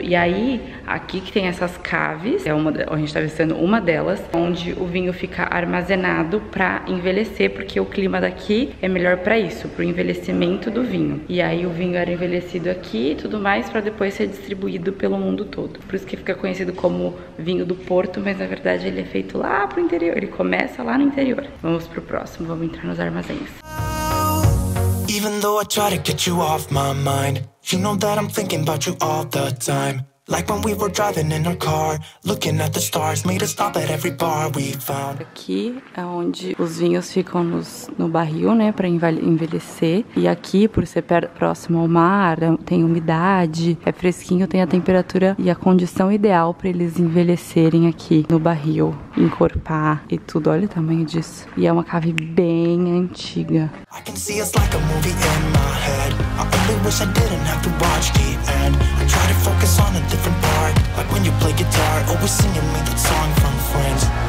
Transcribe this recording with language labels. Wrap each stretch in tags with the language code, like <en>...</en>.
<pt>E aí, aqui que tem essas caves, a gente tá visitando uma delas, onde o vinho fica armazenado pra envelhecer, porque o clima daqui é melhor pra isso, pro envelhecimento do vinho. E aí o vinho era envelhecido aqui e tudo mais, pra depois ser distribuído pelo mundo todo. Por isso que fica conhecido como vinho do porto, mas na verdade ele é feito lá pro interior, ele começa lá no interior. Vamos pro próximo, vamos entrar nos armazéns.</pt> <en>Even though I try to get you off my mind, you know that I'm thinking about you all the time. Like when we were driving in our car, looking at the stars, made us stop at every bar we found.</en> <pt>Aqui é onde os vinhos ficam no barril, né, pra envelhecer. E aqui, por ser próximo ao mar, tem umidade, é fresquinho, tem a temperatura e a condição ideal pra eles envelhecerem aqui no barril, encorpar e tudo. Olha o tamanho disso. E é uma cave bem antiga.</pt> <en>I can see us like a movie in my head. I only wish I didn't have to watch the end. I try to focus on a different part, like when you play guitar, always singing me that song from Friends.</en>